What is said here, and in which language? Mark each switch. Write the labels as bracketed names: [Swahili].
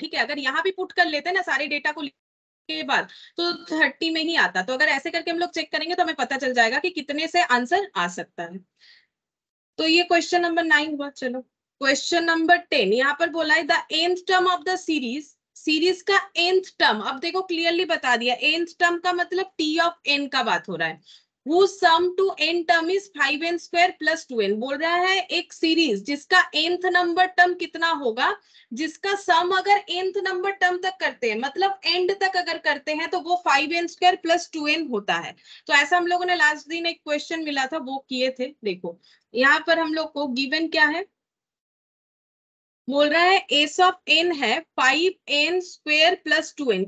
[Hindi] ठीक है, अगर यहाँ भी पुट कर लेते ना सारे डेटा को के बाद, तो 30 में ही आता. तो अगर ऐसे करके हम लोग चेक करेंगे तो हमें पता चल जाएगा कि कितने से आंसर आ सकता है. तो ये क्वेश्चन नंबर 9 हुआ. चलो क्वेश्चन नंबर 10, यहाँ पर बोला है [English] the nth term of the series, [Hindi] series का एंथ टर्म. अब देखो क्लियरली बता दिया, एंथ टर्म का मतलब टी ऑफ एन का बात हो रहा है. [English] Whose sum to n term is 5n square plus 2n. [Hindi] बोल रहा है एक सीरीज जिसका nth number term कितना होगा, जिसका sum अगर nth number term तक करते हैं, मतलब end तक अगर करते हैं, तो वो 5n square plus 2n होता है. तो ऐसा हम लोगों ने लास्ट दिन एक क्वेश्चन मिला था, वो किए थे. देखो यहाँ पर हम लोग को गिवन क्या है, बोल रहा है s of n है 5n square plus 2n.